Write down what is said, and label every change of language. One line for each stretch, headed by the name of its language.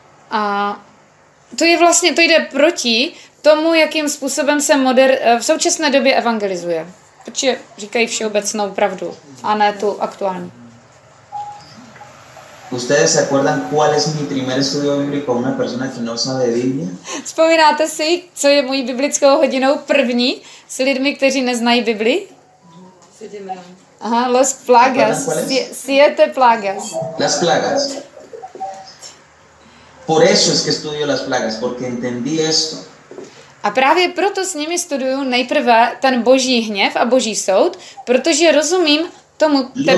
Czech: A to je vlastně, to jde proti tomu, jakým způsobem se v současné době evangelizuje. Protože říkají všeobecnou pravdu, a ne tu aktuální.
Spanish: Ustedes se acuerdan cuál es mi primer estudio bíblico una persona que no sabe Biblia?
Czech: Vzpomínáte si, co je mojí biblickou hodinou první s lidmi, kteří neznají Bibli?
Spanish: Aha, Los Plagas. Siete Plagas. Las Plagas. Por eso es que estudio las Plagas, porque entendí esto.
Czech: A právě proto s nimi studuju nejprve ten boží hněv a boží soud, protože rozumím tomu.